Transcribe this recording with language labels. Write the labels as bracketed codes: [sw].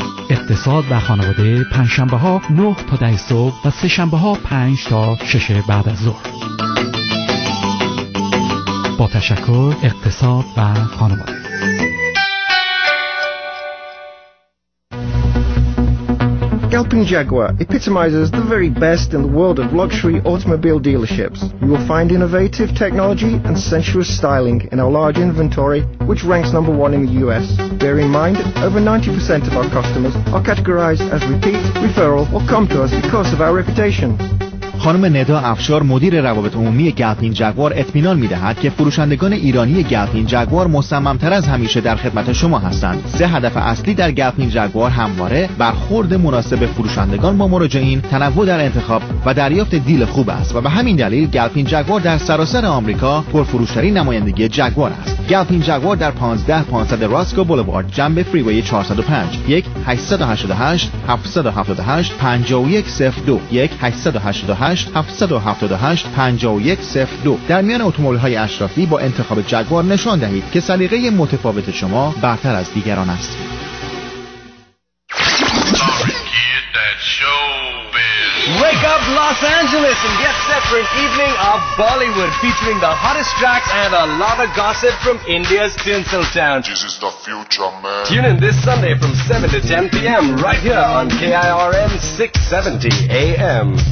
[fa] اقتصاد و خانواده پنجشنبه ها 9 تا 10 صبح و سه شنبه ها 5 تا 6 بعد از ظهر. با تشکر اقتصاد و خانواده. [en] Galpin Jaguar epitomizes the very best in the world of luxury automobile dealerships. You will find innovative technology and sensuous styling in our large inventory, which ranks number one in the US. Bear in mind, over 90% of our customers are categorized as repeat, referral, or come to us because of our reputation. [fa] خانم ندا افشار، مدیر روابط عمومی گلپین جگوار، اطمینان می‌دهد که فروشندگان ایرانی گلپین جگوار مصمم‌تر از همیشه در خدمت شما هستند. سه هدف اصلی در گلپین جگوار همواره برخورد مناسب فروشندگان با مراجعین، تنوع در انتخاب و دریافت دیل خوب است و به همین دلیل گلپین جگوار در سراسر آمریکا پرفروش‌ترین نمایندگی جگوار است. گلپین جگوار در 15500 راسکو بولوارد جنب فریوی 405 1-888-778-5102 در میان اتومبیل‌های اشرافی با انتخاب جگوار نشان دهید که سلیقه متفاوت شما برتر از دیگران است. [en] Wake up Los Angeles and get set for an evening of Bollywood featuring the hottest tracks and a lot of gossip from India's tinsel town. This is the future, man. Tune in this Sunday from 7 to 10 p.m. right here on KIRM 670 AM.